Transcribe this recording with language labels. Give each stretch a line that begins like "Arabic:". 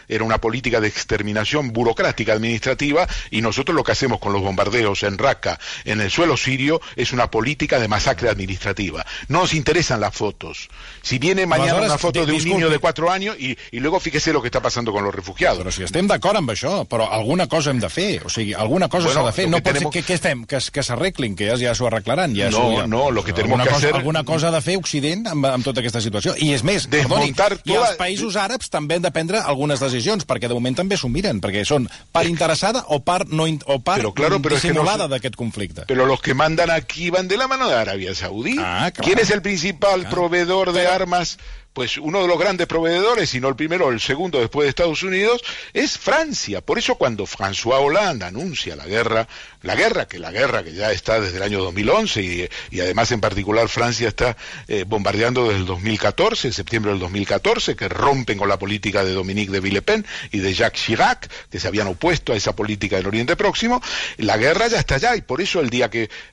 Spanish: Era una política de exterminación burocrática administrativa, y nosotros lo que hacemos con los bombardeos en Raqqa, en el suelo sirio, es una política de masacre administrativa. No nos interesan las fotos. Si viene mañana una foto de un niño de 4 años y luego fíjese lo que está pasando con los refugiados.
Catalan: Pero si estem d'acord amb això, però alguna cosa hem de fer, o sigui, alguna cosa s'ha de fer. No pot ser que estem, que s'arreglin, que ja s'ho arreglaran.
Spanish: No, lo que tenemos que hacer...
Catalan: Alguna cosa ha de fer Occident amb tota aquesta situació. I és més, perdoni, i els països àrabs també han de prendre algunes decisions, perquè de moment també s'ho miren, perquè són part interessada o part dissimulada d'aquest conflicte.
Spanish: Però los que mandan aquí van de la mano de Arabia Saudí. ¿Quién es el principal proveedor de armas? Pues uno de los grandes proveedores, si no el primero o el segundo después de Estados Unidos, es Francia. Por eso cuando François Hollande anuncia la guerra que ya está desde el año 2011 y además en particular Francia está bombardeando desde el 2014, en septiembre del 2014, que rompen con la política de Dominique de Villepin y de Jacques Chirac, que se habían opuesto a esa política del Oriente Próximo, la guerra ya está allá, y por eso el día que